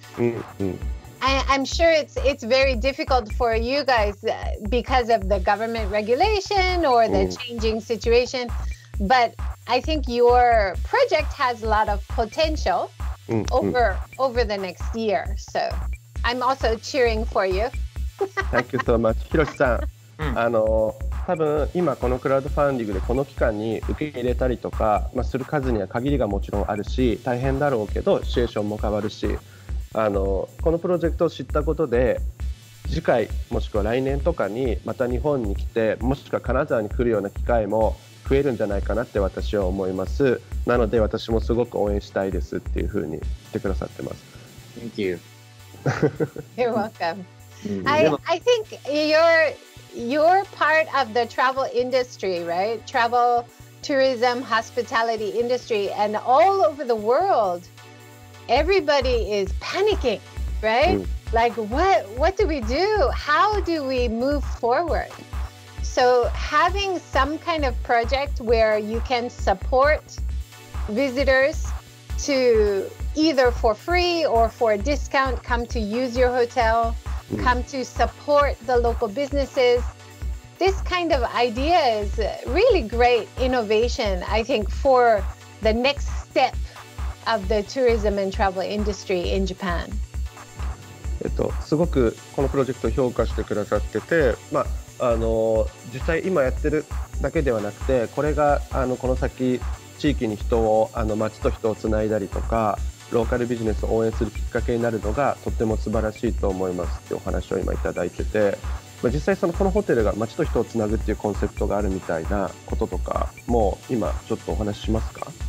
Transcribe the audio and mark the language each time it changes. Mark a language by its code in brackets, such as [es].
[en] I'm sure it's very difficult for you guys because of the government regulation or the changing situation, but I think your project has a lot of potential over the next year. So I'm also cheering for you. Thank you so much. [ja] Hiroshi-san, あの、多分今このクラウドファンディングでこの期間に受け入れたりとか、まあ、する数には限りがもちろんあるし、大変だろうけど、シチュエーションも変わるし、あのこのプロジェクトを知ったことで次回もしくは来年とかにまた日本に来てもしくは金沢に来るような機会も増えるんじゃないかなって私は思います。なので私もすごく応援したいですっていうふうに言ってくださってます。 [en] Thank you. You're welcome. I think your part of the travel industry, right? Travel, tourism, hospitality industry and all over the worldEverybody is panicking, right? like, what do we do? How do we move forward? So having some kind of project where you can support visitors to either for free or for a discount, come to use your hotel, come to support the local businesses. This kind of idea is really great innovation, I think, for the next step of the tourism and travel industry in Japan. [ja] すごくこのプロジェクト評価してくださってて、まあ、実際今やってるだけではなくて、これがこの先地域に人を町と人をつないだりとか、ローカルビジネスを応援するきっかけになるのがとっても素晴らしいと思いますってお話を今いただいてて、まあ、実際そのこのホテルが町と人をつなぐっていうコンセプトがあるみたいなこととかも今ちょっとお話ししますか？